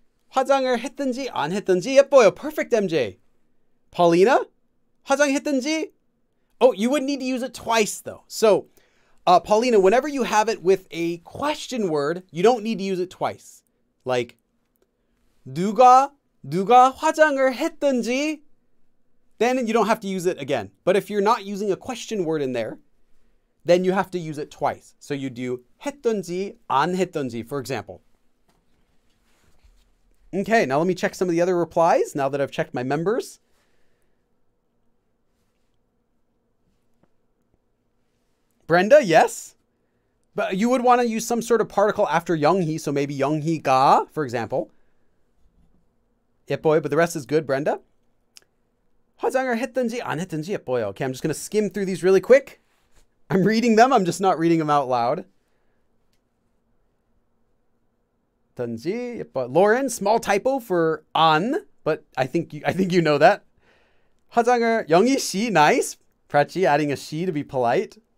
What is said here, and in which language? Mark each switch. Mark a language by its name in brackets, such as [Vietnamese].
[Korean] 화장을 했든지 안 했든지 예뻐요? [English] Perfect, MJ. Paulina, 화장했든지? Oh, you would need to use it twice, though. So... Paulina, whenever you have it with a question word, you don't need to use it twice. [Korean] Like, 누가 화장을 했던지? [English] Then you don't have to use it again. But if you're not using a question word in there, then you have to use it twice. So you do [Korean] 했던지, 안 했던지, [English] for example. Okay, now let me check some of the other replies now that I've checked my members. Brenda, yes. But you would want to use some sort of particle after Younghee, so maybe Younghee ga, for example. Yeppoyo, but the rest is good, Brenda. [Korean] 화장을 했던지 안 했던지 예뻐요. [English] Okay, I'm just going to skim through these really quick. I'm reading them, I'm just not reading them out loud. [Korean] 던지 예뻐요. [English] Lauren, small typo for an, but I think you know that. 화장을 Younghee 씨, nice. Prachi, adding a 씨 to be polite.